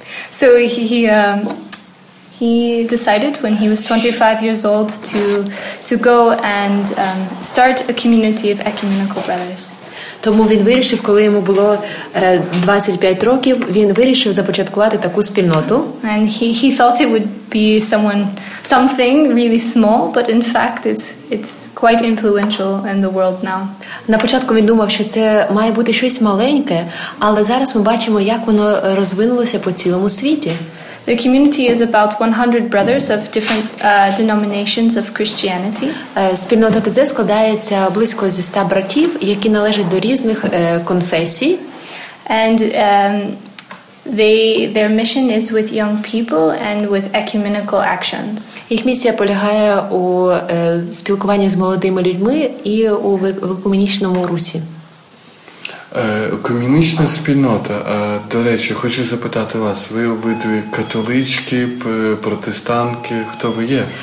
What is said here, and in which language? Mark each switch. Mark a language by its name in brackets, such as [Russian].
[English] So he decided when he was 25 years old to go and start a community of ecumenical brothers. [Ukrainian] Тому він вирішив, коли йому було 25 років, він вирішив започаткувати таку спільноту. [English] And he thought it would be something really small, but in fact it's quite influential in the world now. [Ukrainian] На початку він думав, що це має бути щось маленьке, але зараз ми бачимо, як воно розвинулося по цілому світі. [English] The community is about 100 brothers of different denominations of Christianity. [Ukrainian] Спільнота ТЗ складається близько зі 100 братів, які належать до різних конфесій. [English] And Their mission is with young people and with ecumenical actions. [Ukrainian] Їх місія полягає у спілкуванні з молодими людьми і у екуменічному русі. Екуменічна спільнота. До речі, хочу запитати вас, ви обидві католички, протестантки, хто ви є?